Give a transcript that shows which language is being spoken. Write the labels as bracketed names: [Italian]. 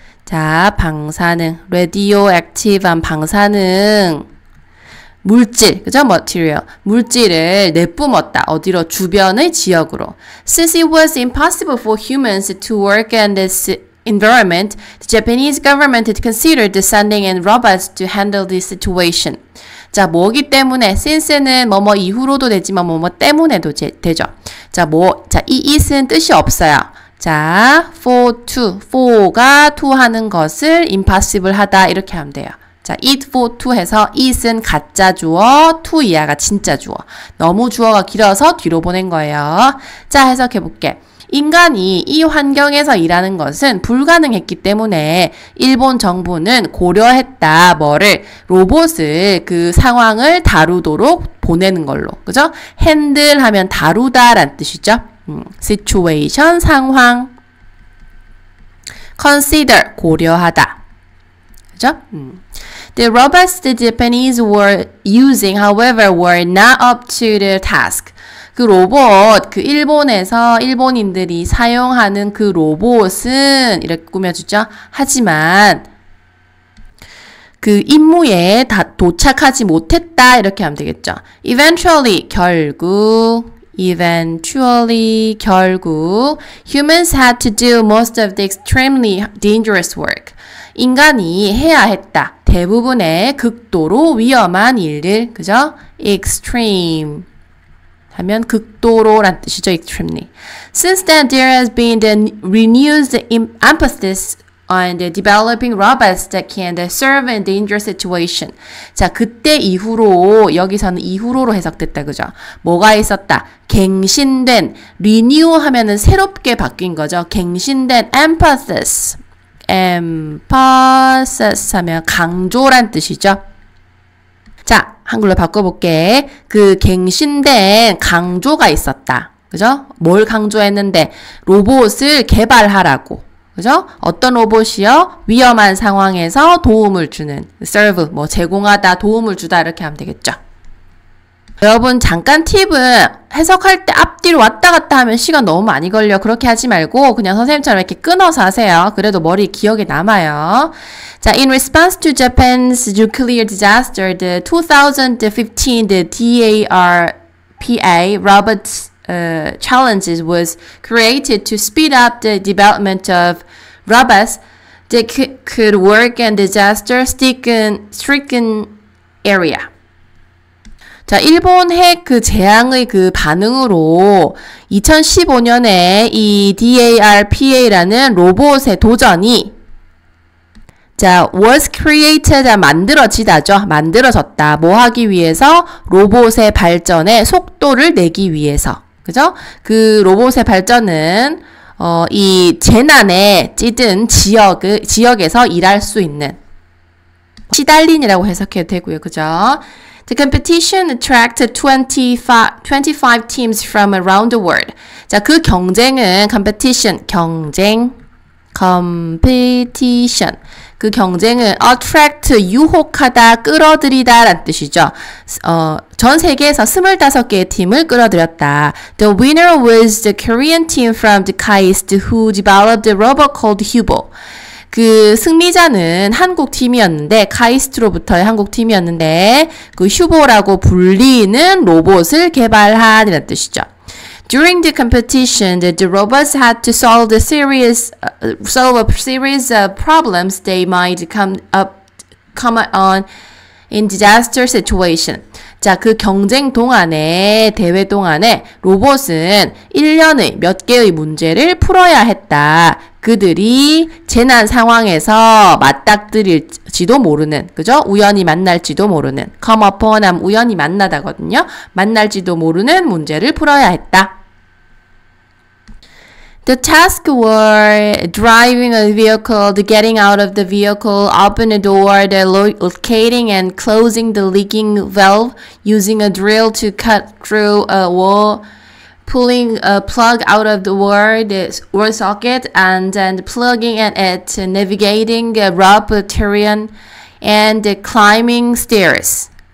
[Korean] 자, 방사능. radioactive한 방사능. 물질, 그죠? material. 물질을 내뿜었다. 어디로? 주변의 지역으로. [English] Since it was impossible for humans to work in this environment, the Japanese government considered sending in robots to handle this situation. [Korean] 자, 뭐기 때문에, since는 뭐뭐 이후로도 되지만 뭐뭐 때문에도 되죠. 자, 뭐, 자, 이 is는 뜻이 없어요. 자, for to. for가 to 하는 것을 impossible 하다. 이렇게 하면 돼요. 자, it for to 해서 it은 가짜 주어, to 이하가 진짜 주어. 너무 주어가 길어서 뒤로 보낸 거예요. 자, 해석해 볼게. 인간이 이 환경에서 일하는 것은 불가능했기 때문에 일본 정부는 고려했다. 뭐를? 로봇을 그 상황을 다루도록 보내는 걸로. 그죠? handle 하면 다루다란 뜻이죠. situation 상황. consider 고려하다. 그죠? [English] The robots the Japanese were using, however, were not up to the task. [Korean] 그 로봇, 그 일본에서 일본인들이 사용하는 그 로봇은 이렇게 꾸며주죠. 하지만 그 임무에 다 도착하지 못했다. 이렇게 하면 되겠죠. [English] Eventually, [Korean] 결국, [English] humans had to do most of the extremely dangerous work. [Korean] 인간이 해야 했다. 대부분의 극도로 위험한 일들, 그죠? Extreme 하면 극도로란 뜻이죠, extremely. [English] Since then, there has been the renewed emphasis on the developing robots that can serve in dangerous situation. [Korean] 자, 그때 이후로, 여기서는 이후로로 해석됐다, 그죠? 뭐가 있었다? 갱신된, renew 하면은 새롭게 바뀐 거죠. 갱신된 emphasis. emphasis 하면 강조란 뜻이죠. 자, 한글로 바꿔볼게. 그 갱신된 강조가 있었다. 그죠? 뭘 강조했는데? 로봇을 개발하라고. 그죠? 어떤 로봇이요? 위험한 상황에서 도움을 주는. serve, 뭐, 제공하다, 도움을 주다. 이렇게 하면 되겠죠. 여러분, 잠깐 팁은 해석할 때 앞뒤로 왔다 갔다 하면 시간 너무 많이 걸려. 그렇게 하지 말고 그냥 선생님처럼 이렇게 끊어서 하세요. 그래도 머리 기억에 남아요. [English] 자, in response to Japan's nuclear disaster, the 2015 DARPA robots challenges was created to speed up the development of robots that could work in disaster stricken area. [Korean] 자, 일본 핵그 재앙의 그 반응으로 2015년에 이 DARPA라는 로봇의 도전이, 자, [English] was created, [Korean] 만들어지다죠. 만들어졌다. 뭐 하기 위해서? 로봇의 발전에 속도를 내기 위해서. 그죠? 그 로봇의 발전은, 이 재난에 찌든 지역에서 일할 수 있는. 시달린이라고 해석해도 되고요. 그죠? [English] The competition attracted 25 teams from around the world. [Korean] 자, 그 경쟁은 competition 경쟁 competition 그 경쟁은 attract 유혹하다 끌어들이다라는 뜻이죠. 전 세계에서 25개의 팀을 끌어들였다. [English] The winner was the Korean team from the KAIST who developed a robot called Hubo. [Korean] 그 승리자는 한국 팀이었는데 KAIST로부터의 한국 팀이었는데 그 휴보라고 불리는 로봇을 개발한이라는 뜻이죠. [English] During the competition, the robots had to solve a series of problems they might come on in disaster situation. [Korean] 자, 그 경쟁 동안에 대회 동안에 로봇은 1년에 몇 개의 문제를 풀어야 했다. 그들이 재난 상황에서 맞닥뜨릴지도 모르는, 그죠? 우연히 만날지도 모르는, come upon 하면 우연히 만나다거든요. 만날지도 모르는 문제를 풀어야 했다. [English] The task was driving a vehicle, getting out of the vehicle, open a door, locating and closing the leaking valve, using a drill to cut through a wall, pulling a plug out of the wall socket, and plugging it, navigating a rough terrain, and climbing stairs.